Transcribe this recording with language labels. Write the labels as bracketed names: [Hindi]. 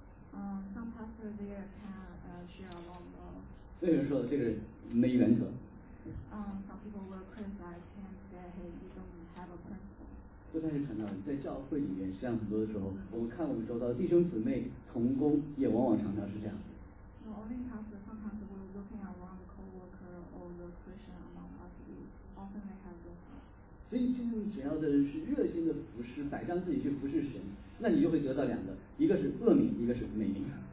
[English] Some pastor there can share a lot more. [Chinese] 这个人没原则。 [English] Some people will criticize him that he don't have a principle. [Chinese] 在教会里面，实际上很多的时候，我们看我们周遭弟兄姊妹同工，也往往常常是这样。 [English] Not only pastor, sometimes we're looking around coworker or the Christian among us. Often they have this. [Chinese] 所以，只要的人是热心的服侍，摆上自己去服侍神。那你就会得到两个，一个是恶名，一个是美名。